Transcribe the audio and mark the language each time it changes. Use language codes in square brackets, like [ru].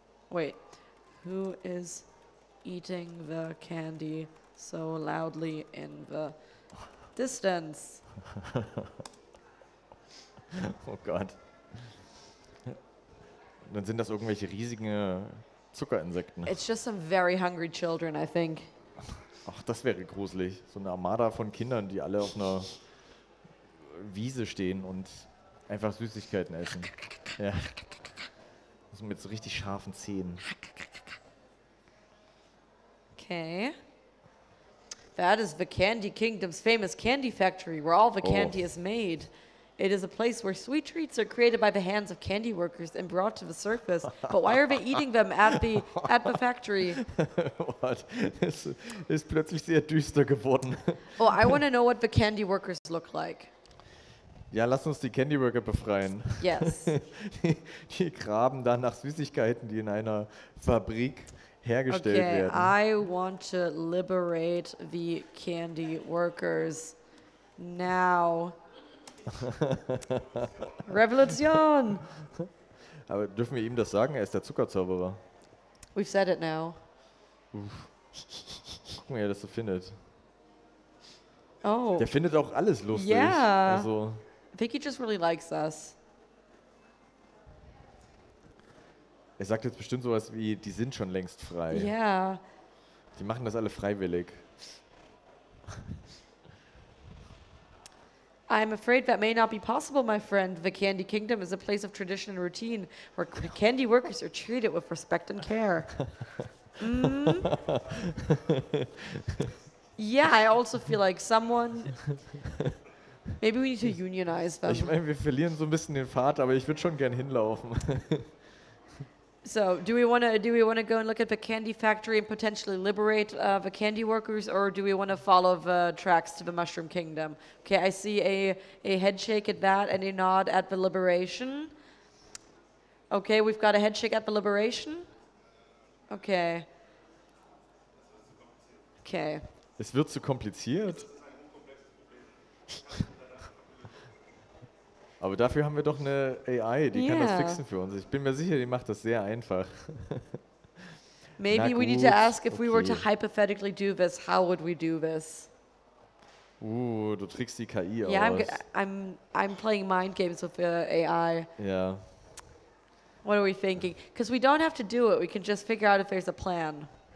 [en] Wait, who is eating the candy so loudly in the distance? [de] Oh Gott. Dann sind das irgendwelche riesigen Zuckerinsekten. [en] It's just some very hungry children, I think. [de] Ach, das wäre gruselig. So eine Armada von Kindern, die alle auf einer Wiese stehen und einfach Süßigkeiten essen. Ja. So mit so richtig scharfen Zähnen. [en] Okay. That is the Candy Kingdom's famous candy factory, where all the candy is made. It is a place where sweet treats are created by the hands of candy workers and brought to the surface. But why are they eating them at the factory? [de] What? Es ist plötzlich sehr düster geworden. [en] Oh, I want to know what the candy workers look like. [de] Ja, lass uns die Candy Worker befreien. [en] Yes. [de] Die graben da nach Süßigkeiten, die in einer Fabrik hergestellt werden. [en] Okay, I want to liberate the candy workers now. Revolution! [de] Aber dürfen wir ihm das sagen? Er ist der Zuckerzauberer. [en] We've said it now. [de] Gucken wir, wie er das so findet. Oh. Der findet auch alles lustig. [en] Yeah. [de] Also, [en] I think he just really likes us. [de] Er sagt jetzt bestimmt sowas wie, die sind schon längst frei. [en] Yeah. [de] Die machen das alle freiwillig. [en] I'm afraid that may not be possible, my friend. The Candy Kingdom is a place of tradition and routine where candy workers are treated with respect and care. Mm. Yeah, I also feel like someone... Maybe we need to unionize them. [de] Ich meine, wir verlieren so ein bisschen den Pfad, aber ich würde schon gern hinlaufen. [en] So, do we wanna go and look at the candy factory and potentially liberate the candy workers, or do we wanna follow the tracks to the Mushroom Kingdom? Okay, I see a head shake at that and a nod at the liberation. Okay, we've got a head shake at the liberation. Okay. Okay. [de] Es wird zu kompliziert. Aber dafür haben wir doch eine AI, die kann das fixen für uns. Ich bin mir sicher, die macht das sehr einfach. [en] Maybe we need to ask if we were to hypothetically do this, how would we do this? [de] Du trickst die KI aus. [en] Yeah, I'm playing mind games with the AI. Yeah. What are we thinking? Because we don't have to do it, we can just figure out if there's a plan.